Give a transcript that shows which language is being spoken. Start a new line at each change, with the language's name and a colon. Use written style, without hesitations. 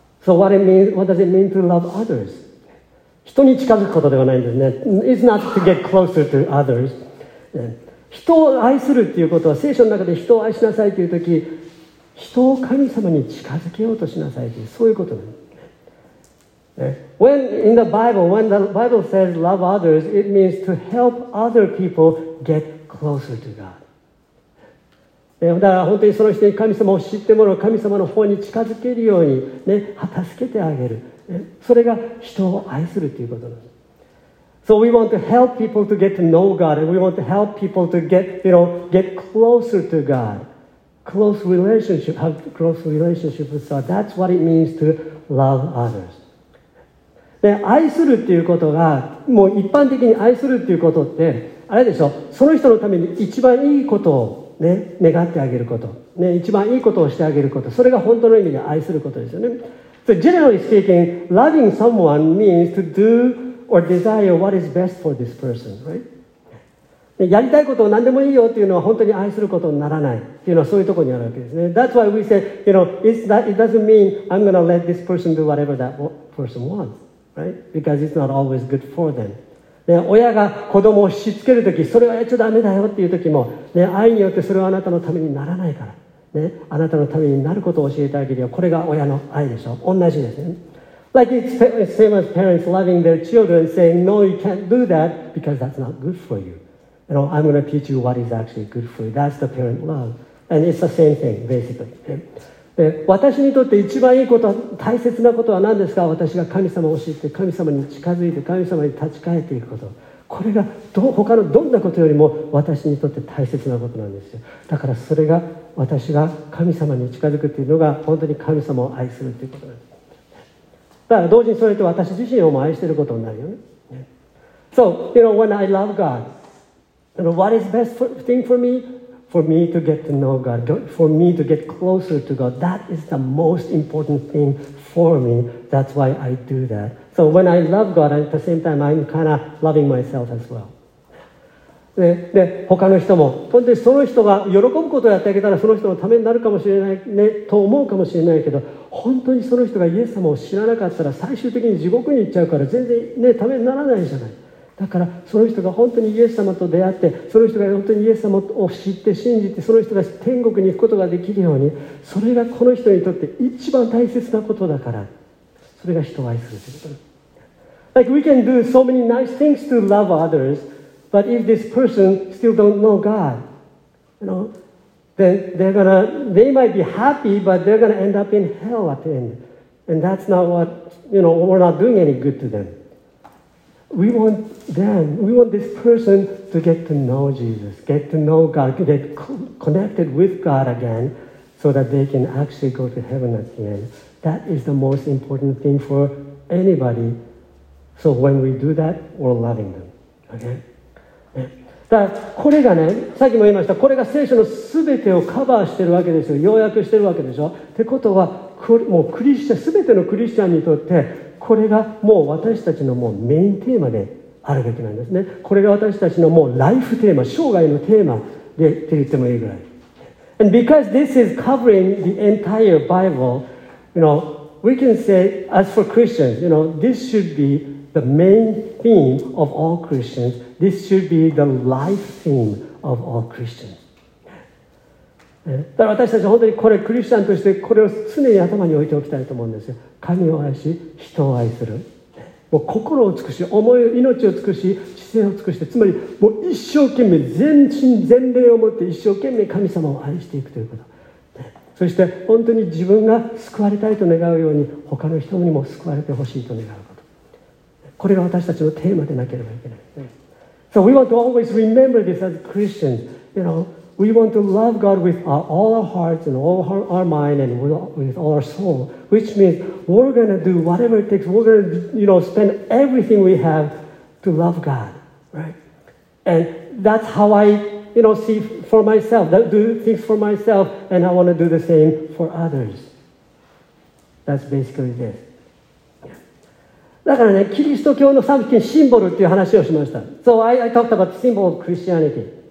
English: So what it means, what does it mean to love others?
Japanese: 人に近づくことではないんですね。
English: It's not to get closer to others.
Japanese: 人を愛するっていうことは、聖書の中で人を愛しなさいというとき、人を神様に近づけようとしなさいという、そういうことです。
English: When in the Bible, when the Bible says love others, it means to help other people get closer to God.
Japanese: だから本当にその人に神様を知ってもらう、神様の方に近づけるように、ね、助けてあげる。それが人を愛するということです。
English: So we want to help people to get to know God and we want to help people to get, you know, get closer to God. Close relationship, have close relationship with God. That's what it means to love others.
Japanese: で、愛するっていうことが、もう一般的に愛するっていうことって、あれでしょ、その人のために一番いいことをね、願ってあげること。ね、一番いいことをしてあげること。それが本当の意味で愛することですよね。
English: So generally speaking, loving someone means to do or desire what is best for this person, right?
Japanese: やりたいことを何でもいいよっていうのは本当に愛することにならないっていうのはそういうところにあるわけですね。
English: That's why we say, you know, it doesn't mean I'm going to let this person do whatever that person wants, right? Because it's not always good for them.
Japanese: で、親が子供をしつけるとき、それはやっちゃダメだよっていうときも、ね、愛によってそれはあなたのためにならないから。ね、あなたのためになることを教えてあげるよ。これが親の愛でしょ。同じですね。
English: Like it's the same as parents loving their children, saying, No, you can't do that because that's not good for you. You know, I'm going to teach you what is actually good for you. That's the parent love. And it's the same thing, basically.
Japanese: で、私にとって一番いいこと、大切なことは何ですか? 私が神様を知って、神様に近づいて、神様に立ち返っていくこと。これが他のどんなことよりも私にとって大切なことなんですよ。だからそれが私が神様に近づくというのが本当に神様を愛するということです。だから同時にそれと私自身をも愛していることになるよね。
English: So, you know, when I love God, you know, what is the best thing for me? For me to get to know God, for me to get closer to God. That is the most important thing for me. That's why I do that. So when I love God, at the same time, I'm kind of loving myself as well.
Japanese: で他の人も、本当にその人が喜ぶことをやってあげたら、その人のためになるかもしれないね、と思うかもしれないけど、本当にその人がイエス様を知らなかったら、最終的に地獄に行っちゃうから、全然ね、ためにならないじゃない。だから、その人が本当にイエス様と出会って、その人が本当にイエス様を知って、信じて、その人が天国に行くことができるように、それがこの人にとって一番大切なことだから、それが人を愛するということ。
English: Like, we can do so many nice things to love others. But if this person still don't know God, you know, then they might be happy, but they're gonna end up in hell at the end. And that's not what, you know, we're not doing any good to them. We want this person to get to know Jesus, get to know God, get connected with God again, so that they can actually go to heaven at the end. That is the most important thing for anybody. So when we do that, we're loving them, okay?
Japanese: だからこれがね、さっきも言いました、これが聖書のすべてをカバーしてるわけですよ、要約してるわけでしょ。ってことは、もうクリスチャン、すべてのクリスチャンにとって、これがもう私たちのもうメインテーマであるべきなんですね。これが私たちのもうライフテーマ、生涯のテーマでって言ってもいいぐらい。
English: And because this is covering the entire Bible, you know, we can say, as for Christians, you know, this should be the main theme of all Christians. This should be the life theme of all Christians.
Japanese: だから私たち本当にこれクリスチャンとしてこれを常に頭に置いておきたいと思うんですよ。神を愛し、人を愛する。もう心を尽くし、思い、命を尽くし、知性を尽くして、つまりもう一生懸命全身全霊を持って一生懸命神様を愛していくということ。そして本当に自分が救われたいと願うように他の人にも救われてほしいと願うこと。これが私たちのテーマでなければいけない。
English: So we want to always remember this as Christians. You know, we want to love God with all our hearts and all our mind and with all our soul. Which means we're going to do whatever it takes. We're going to, you know, spend everything we have to love God. Right? And that's how I, you know, see for myself. Do things for myself and I want to do the same for others. That's basically this.
Japanese: だからね、キリスト教の賛否権シンボルっていう話をしました。
English: So I talked about the symbol of Christianity.